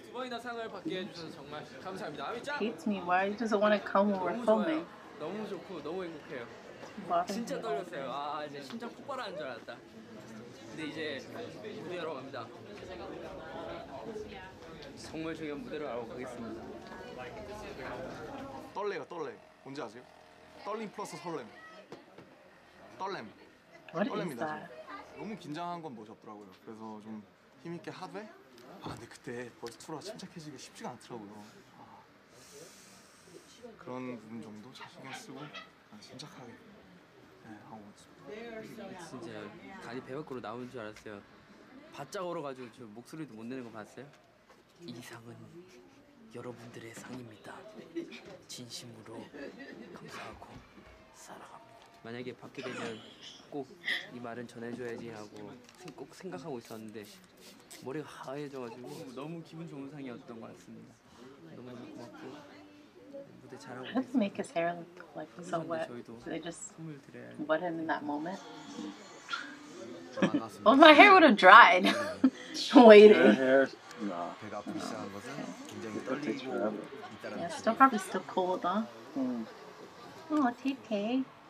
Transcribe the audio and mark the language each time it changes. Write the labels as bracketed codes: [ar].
[en] Hates me. Why he doesn't want to come when we're filming? [ko] 너무 좋고 너무 행복해요. 진짜 떨렸어요. 아 이제 심장 폭발하는 줄 알았다. 근데 이제 무대로 갑니다. 정말 중요한 무대로 가고 가겠습니다. 떨래요, 떨래. 뭔지 아세요? 떨림 플러스 설렘. 떨렘. 떨렘입니다. 너무 긴장한 건 모셨더라고요. 그래서 좀 힘 있게 하되. 아 근데 그때 벌써 투로가 침착해지기 쉽지가 않더라고요. 아, 그런 부분 정도 자신감 쓰고 침착하게 네, 하고 왔습니다. 진짜 다리 배 밖으로 나오는 줄 알았어요. 바짝 얼어가지고 저 목소리도 못 내는 거 봤어요? 이 상은 여러분들의 상입니다. 진심으로 감사하고 사랑합니다. 만약에 받게 되면 꼭 이 말은 전해줘야지 하고 꼭 생각하고 있었는데 머리가 하얘져가지고 너무 기분 좋은 상이었던 것 같습니다. 너무 고맙고 무대 잘하고 계세요. [en] Let's make his hair look like so wet. So they just wet him in that moment. Well, my hair would have dried. Waiting. Your hair, nah. Okay. Yeah, it takes still probably still cold, huh? Mm. Oh, TK.